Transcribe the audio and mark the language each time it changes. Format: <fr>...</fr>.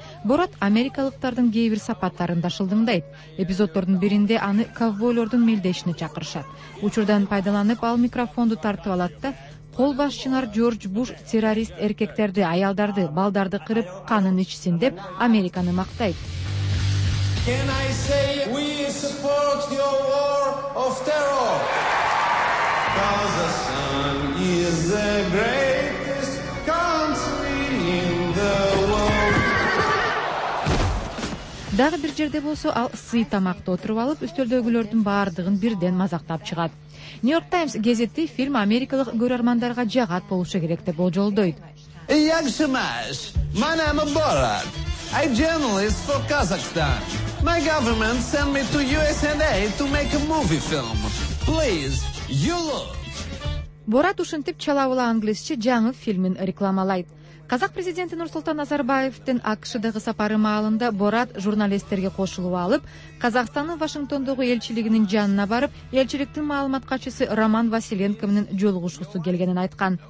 <ky>Борат америкалыктардын кээ бир сапаттарында шылдыңдайт. Эпизоддордун биринде аны ковбойлордун мелдешине чакырышат. Учурдан пайдаланып, ал микрофонду тартып алат да кол башчынар Джордж Буш террорист эркектерди, аялдарды, балдарды кырып, канын ичсин деп Американы мактайт.</ky> <en>Can I say we support your war of terror? Cause the sun is the greatest country in the world.</en> <ky>Дагы бир жерде болсо, ал сый тамакта отуруп алып, үстөлдөгүлөрдүн баардыгын бирден мазактап чыгат. New York Times гезити фильм америкалык көрөрмандарга жагат болушу керек деп болжолдойт.</ky> <en>Yashimash, my name is Borat. A journalist for Kazakhstan. My government sent me to USA to make a movie film. Please, you look.</en> <ky>Borat ушинтип чала ула англисче жаңы фильмин рекламалайт. Казак президенти Нурсултан Назарбаевдин АКШ-дагы сапары маалында Борат журналисттерге кошулуп алып, Казакстандын Вашингтондогу элчилигинин жанына барып, элчиликтин маалымат катчысы Роман Василенко менен жолугушкусу келгенин айткан.</ky>